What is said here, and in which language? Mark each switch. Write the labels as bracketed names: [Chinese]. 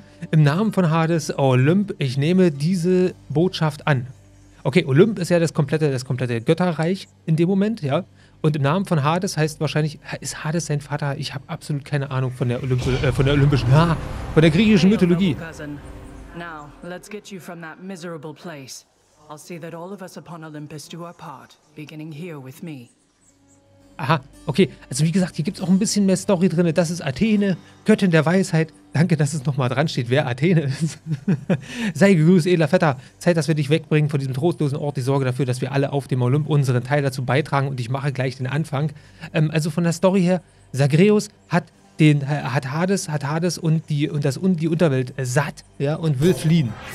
[German] Im Namen von Hades, Olymp, ich nehme diese Botschaft an. Okay, Olymp ist ja das komplette Götterreich in dem Moment, ja. Und im Namen von Hades heißt wahrscheinlich, ist Hades sein Vater? Ich habe absolut keine Ahnung von der griechischen Mythologie. [English] Now, let's get you from that miserable place. I'll see that all of us upon Olympus do our part, beginning here with me. [German] Aha, okay. Also wie gesagt, hier gibt es auch ein bisschen mehr Story drin. Das ist Athene, Göttin der Weisheit. Danke, dass es nochmal dran steht, wer Athene ist. Sei gegrüßt, edler Vetter. Zeit, dass wir dich wegbringen von diesem trostlosen Ort. Die Sorge dafür, dass wir alle auf dem Olymp unseren Teil dazu beitragen. Und ich mache gleich den Anfang. Also von der Story her, Zagreus hat Hades und die Unterwelt satt, ja, und will fliehen.